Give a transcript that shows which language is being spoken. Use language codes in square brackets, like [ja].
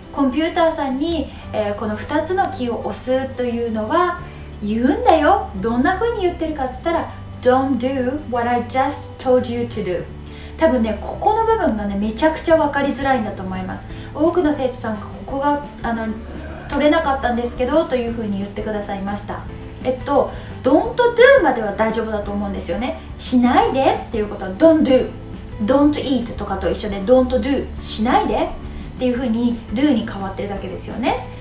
[ja] コンピューターさんに、この2つのキーを押すというのは言うんだよ。どんな風に言ってるかって言ったら [en] Don't do what I just told you to do。 [ja] 多分ね、ここの部分がね、めちゃくちゃ分かりづらいんだと思います。多くの生徒さんがここが取れなかったんですけどという風に言ってくださいました。 [en] Don't do [ja] までは大丈夫だと思うんですよね。しないでっていうことは [en] Don't doDon't eat [ja] とかと一緒で [en] Don't do [ja] しないでっていう風に do に変わってるだけですよね。